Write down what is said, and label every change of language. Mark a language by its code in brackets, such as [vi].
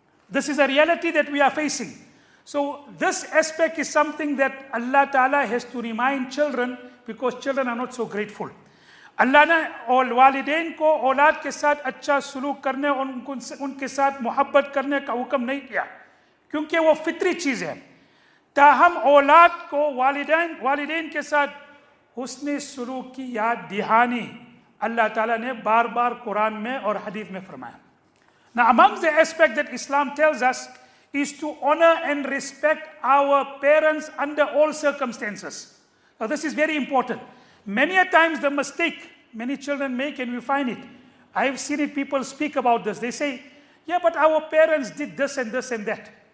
[en] This is a reality that we are facing. So this aspect is something that Allah Ta'ala has to remind children, because children are not so grateful. [ur] Allah ne aur walidain ko aulad ke sath acha sulook karne aur unke sath mohabbat karne ka hukm nahi kiya, کیونکہ وہ فطری چیز ہے. تاہم اولاد کو والدین کے ساتھ حسن سلوک کی یاد دہانی اللہ تعالیٰ نے بار بار قرآن میں اور حدیث میں فرمایا. [en] Now among the aspect that Islam tells us is to honor and respect our parents under all circumstances. Now this is very important. Many a times the mistake many children make, and we find it, I have seen it, people speak about this. They say, yeah, but our parents did this and this and that.